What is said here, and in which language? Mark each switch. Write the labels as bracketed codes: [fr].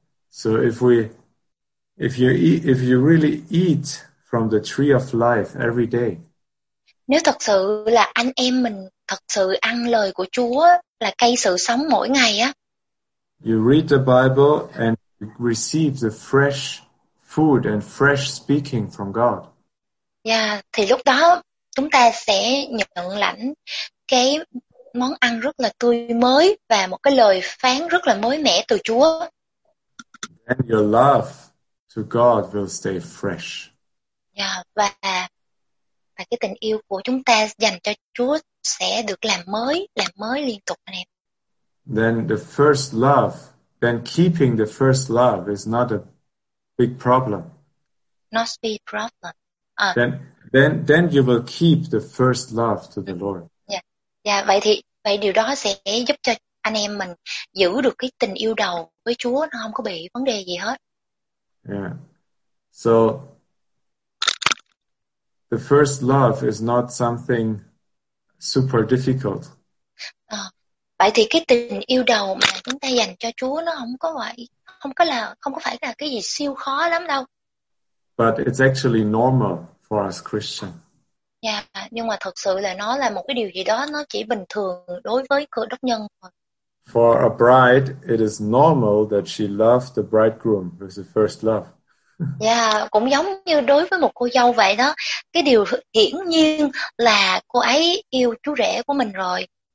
[en] So if you really eat from the tree of life every day. [vi] Nếu thật sự là anh em mình thật sự ăn lời của Chúa là cây sự sống mỗi ngày á. [en] You read the Bible and you receive the fresh food and fresh speaking from God. [vi] Yeah, thì lúc đó chúng ta sẽ nhận lãnh cái món ăn rất là tươi mới và một cái lời phán rất là mới mẻ từ Chúa. [en] And your love to God will stay fresh. [vi] Yeah, và cái tình yêu của chúng ta dành cho Chúa sẽ được làm mới liên tục này. [en] Then the first love, then keeping the first love is not a big problem. Not a big problem. Then you will keep the first love to the Lord. Yeah. [vi] Yeah, vậy điều đó sẽ giúp cho anh em mình giữ được cái tình yêu đầu với Chúa, nó không có bị vấn đề gì hết. Yeah. [en] So the first love is not something super difficult. [vi] Vậy thì cái tình yêu đầu mà chúng ta dành cho Chúa nó không có phải là cái gì siêu khó lắm đâu. [en] But it's actually normal for us Christian. [vi] Yeah, nhưng mà thật sự là nó là một cái điều gì đó nó chỉ bình thường đối với cơ đốc nhân. [en] For a bride, it is normal that she loves the bridegroom with the first love. [vi] Yeah, cũng giống như đối với một cô dâu vậy đó. Cái điều hiển nhiên là cô ấy yêu chú rể của mình rồi.